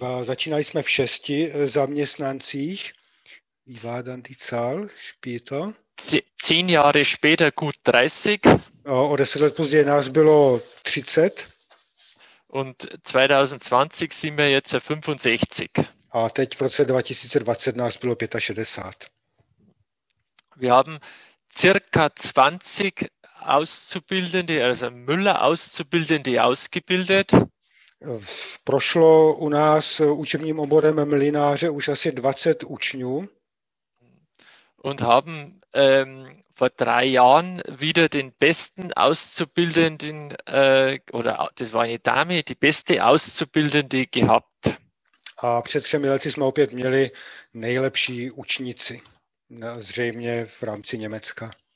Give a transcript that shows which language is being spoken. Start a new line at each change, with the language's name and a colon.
Czech: Začínali jsme v 6 zaměstnancích.
German: Wie war dann die Zahl später? 10 Jahre später gut 30.
Czech: O 10 let později nás bylo 30.
German: Und 2020 sind wir jetzt 65.
Czech: A teď v roce 2020 nás bylo 65.
German: Wir haben circa 20 Auszubildende, also Müller Auszubildende ausgebildet.
Czech: Prošlo u nás učebním oborem mlynáře už asi 20 učňů.
German: Und haben vor 3 Jahren wieder den besten Auszubildenden oder das war eine Dame, die beste Auszubildende gehabt.
Czech: A před 3 lety jsme opět měli nejlepší učnici, zřejmě v rámci Německa.